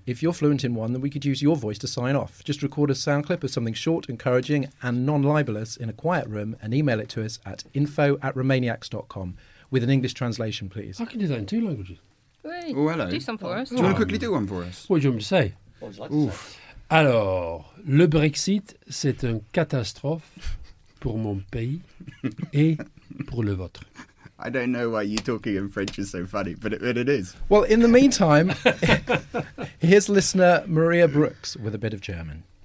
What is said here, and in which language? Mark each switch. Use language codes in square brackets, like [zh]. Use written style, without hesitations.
[en] If you're fluent in one, then we could use your voice to sign off. Just record a sound clip of something short, encouraging and non-libelous in a quiet room and email it to us at info@romaniacs.com with an English translation, please. I can do that in two languages. Hey, oh, hello. Do some for us. Do you want to quickly do one for us? What do you want me to say? [fr] Alors, le Brexit, c'est une catastrophe pour mon pays et pour le vôtre. [en] I don't know why you talking in French is so funny, but it is. Well, in the meantime, here's listener Maria Brooks with a bit of German.